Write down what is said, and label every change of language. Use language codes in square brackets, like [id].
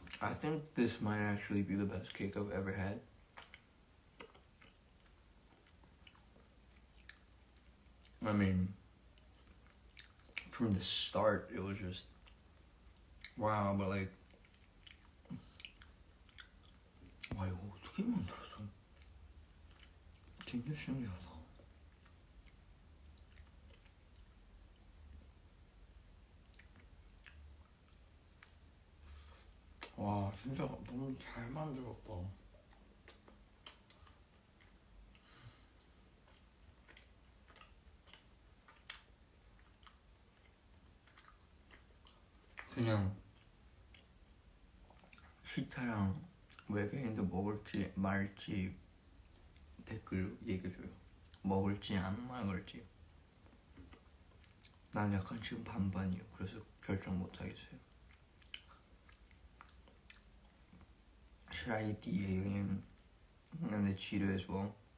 [en] I think this might actually be the best cake I've ever had. From the start, it was just wow, but like [ko] 와 이거 어떻게 만들었어? 진짜 신기하다. 와 진짜 너무 잘 만들었다. 그냥 시타랑 외계인도 먹을지 말지 댓글 얘기해줘요. 먹을지 안 먹을지. 난 약간 지금 반반이에요. 그래서 결정 못하겠어요. [en] Should I eat the alien and the cheetah as well?